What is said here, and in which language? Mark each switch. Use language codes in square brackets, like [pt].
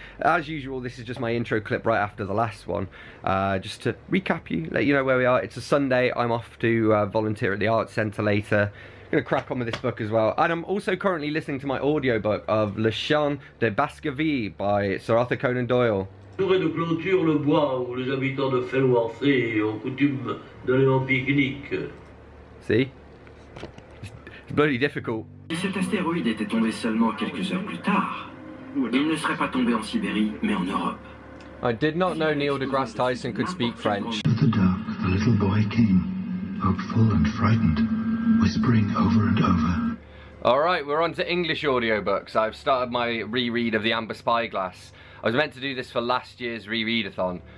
[en] As usual, this is just my intro clip right after the last one. Just to recap you, let you know where we are. It's a Sunday. I'm off to volunteer at the Arts Centre later. I'm going to crack on with this book as well. And I'm also currently listening to my audiobook of Le Chien de Baskerville by Sir Arthur Conan Doyle. [fr] De clôture le bois où les habitants de Fenwarthé ont coutume d'aller en pique-nique. [en] See? It's bloody difficult. [fr] Si cet astéroïde était tombé seulement quelques heures plus tard, il ne serait pas tombé en Sibérie, mais en Europe. [en] I did not know Neil deGrasse Tyson could speak French. Out of the dark, a little boy came, hopeful and frightened, whispering over and over. Alright, we're on to English audiobooks. I've started my reread of The Amber Spyglass. I was meant to do this for last year's rereadathon.